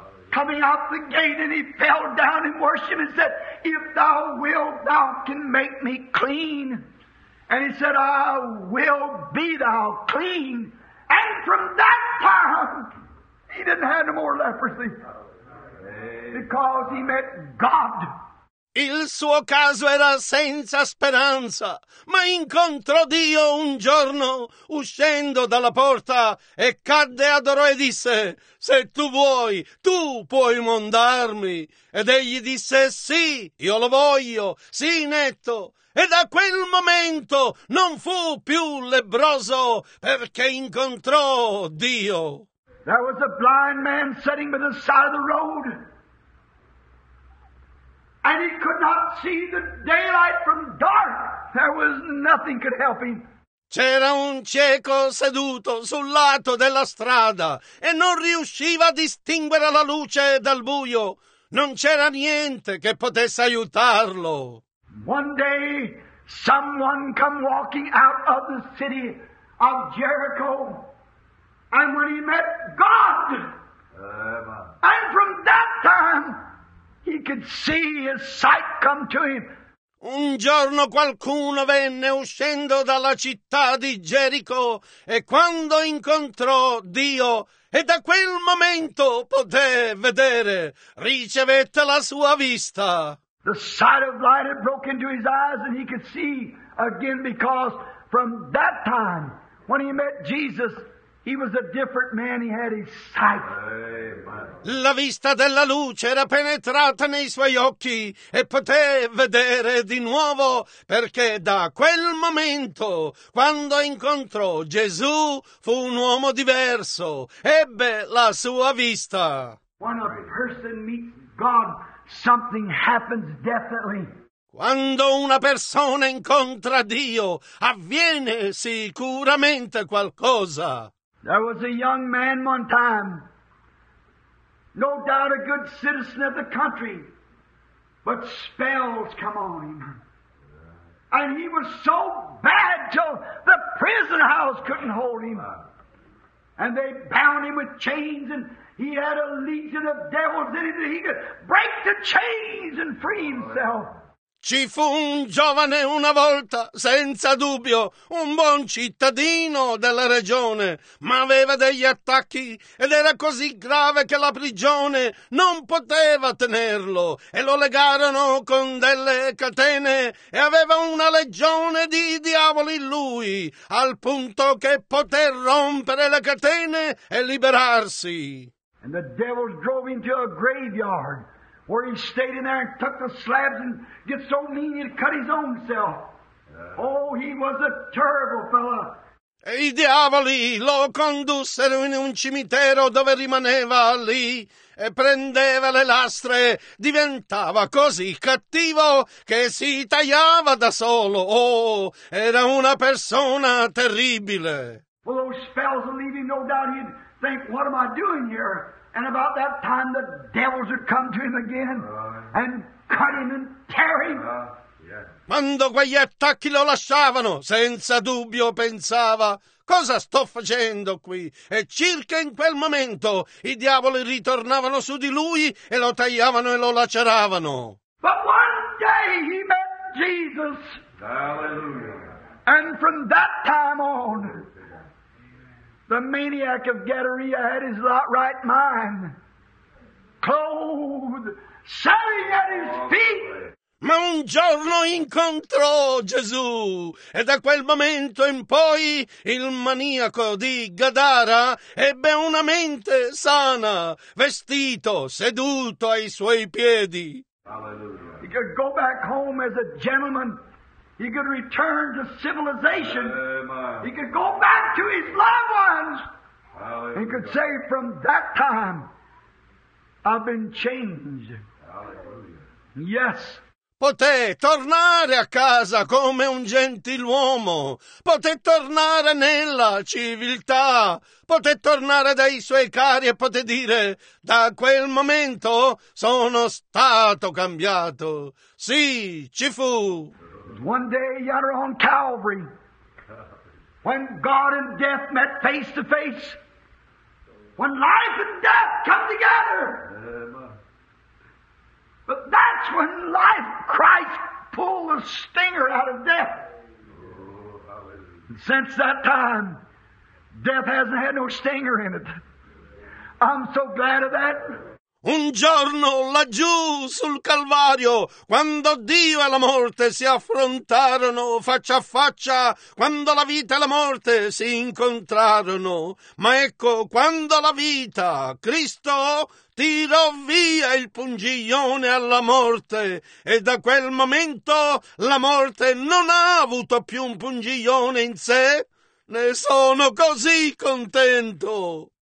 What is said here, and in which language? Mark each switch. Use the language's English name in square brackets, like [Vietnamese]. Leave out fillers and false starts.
[English] Coming out the gate, and he fell down in worship and said, "If thou wilt, thou can make me clean." And he said, "I will be thou clean." And from that time, he didn't have no more leprosy because he met God. [Italian] Il suo caso era senza speranza, ma incontrò Dio un giorno, uscendo dalla porta, e cadde, adorò e disse, «Se tu vuoi, tu puoi mondarmi!» Ed egli disse, «Sì, io lo voglio, sì, netto!» E da quel momento non fu più lebbroso, perché incontrò Dio. [English] There was a blind man sitting by the side of the road. And he could not see the daylight from dark. There was nothing could help him. [Italian] C'era un cieco seduto sul lato della strada e non riusciva a distinguere la luce dal buio. Non c'era niente che potesse aiutarlo. [English] One day, someone come walking out of the city of Jericho, and when he met God, and from that time, he could see his sight come to him. [Italian] Un giorno qualcuno venne uscendo dalla città di Gerico e quando incontrò Dio e da quel momento poté vedere, ricevette la sua vista. [English] The sight of light had broken into his eyes and he could see again because from that time when he met Jesus, he was a different man. He had his sight. [Italian] La vista della luce era penetrata nei suoi occhi e poté vedere di nuovo perché da quel momento, quando incontrò Gesù, fu un uomo diverso, ebbe la sua vista. [English] When a person meets God, something happens definitely. [Italian] Quando una persona incontra Dio, avviene sicuramente qualcosa. [English] There was a young man one time, no doubt a good citizen of the country, but spells come on him. And he was so bad till the prison house couldn't hold him. And they bound him with chains and he had a legion of devils in him that he could break the chains and free himself. [Italian] Ci fu un giovane una volta, senza dubbio, un buon cittadino della regione, ma aveva degli attacchi ed era così grave che la prigione non poteva tenerlo e lo legarono con delle catene e aveva una legione di diavoli in lui, al punto che poté rompere le catene e liberarsi. [English] And the devil drove into a graveyard. Where he stayed in there and took the slabs and get so mean he'd cut his own self. Oh, he was a terrible fellow. [Italian] E i diavoli lo condussero in un cimitero dove rimaneva lì e prendeva le lastre. Diventava così cattivo che si tagliava da solo. Oh, era una persona terribile. [English] Well, those spells would leave him, no doubt he'd think, "What am I doing here?" And about that time, the devils would come to him again and cut him and tear him. [Italian] Quando quegli attacchi lo lasciavano, senza dubbio pensava, cosa sto facendo qui? E circa in quel momento, i diavoli ritornavano su di lui e lo tagliavano e lo laceravano. [English] But one day he met Jesus. Hallelujah. And from that time on, the maniac of Gadara had his right mind, clothed, shouting at his feet. [Italian] Ma un giorno incontrò Gesù, e da quel momento in poi il maniaco di Gadara ebbe una mente sana, vestito, seduto ai suoi piedi. [English] Hallelujah. He could go back home as a gentleman. He could return to civilization. Amen. He could go back to his loved ones. Hallelujah. He could say, from that time, I've been changed. Hallelujah. Yes. [Italian] Poté tornare a casa come un gentiluomo. Poté tornare nella civiltà. Poté tornare dai suoi cari e poté dire: da quel momento sono stato cambiato. Sì, ci fu. [English] One day you're on Calvary. When God and death met face to face. When life and death come together. But that's when life, Christ, pulled the stinger out of death. And since that time, death hasn't had no stinger in it. I'm so glad of that. [Italian] Un giorno laggiù sul Calvario, quando Dio e la morte si affrontarono faccia a faccia, quando la vita e la morte si incontrarono, ma ecco, quando la vita, Cristo, tirò via il pungiglione alla morte, e da quel momento la morte non ha avuto più un pungiglione in sé, ne sono così contento.